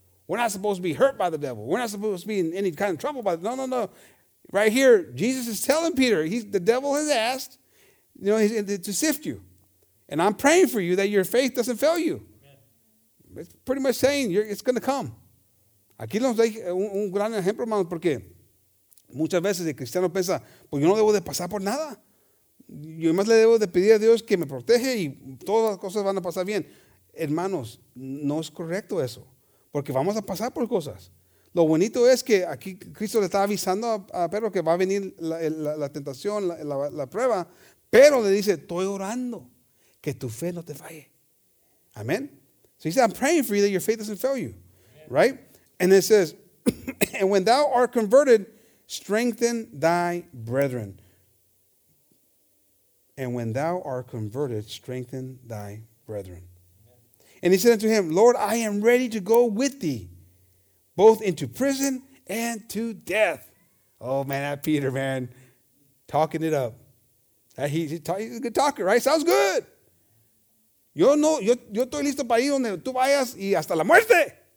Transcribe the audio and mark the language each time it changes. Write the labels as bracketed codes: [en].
[en] We're not supposed to be hurt by the devil. We're not supposed to be in any kind of trouble by the devil. No. Right here, Jesus is telling Peter, the devil has asked. You know, to sift you. And I'm praying for you that your faith doesn't fail you. Amen. It's pretty much saying it's going to come. [es] Aquí nos da un gran ejemplo, hermanos, porque muchas veces el cristiano piensa, pues yo no debo de pasar por nada. Yo más le debo de pedir a Dios que me protege y todas las cosas van a pasar bien. Hermanos, no es correcto eso, porque vamos a pasar por cosas. Lo bonito es que aquí Cristo le está avisando a Pedro que va a venir la tentación, la prueba. Pero le dice, estoy orando que tu fe no te falle. Amen. [en] So he said, I'm praying for you that your faith doesn't fail you. Amen. Right? And it says, and when thou art converted, strengthen thy brethren. And when thou art converted, strengthen thy brethren. Amen. And he said unto him, Lord, I am ready to go with thee, both into prison and to death. Oh, man, that Peter, man, talking it up. He's a good talker, right? Sounds good. [es] Yo no, yo estoy listo para ir donde tú vayas y hasta la muerte.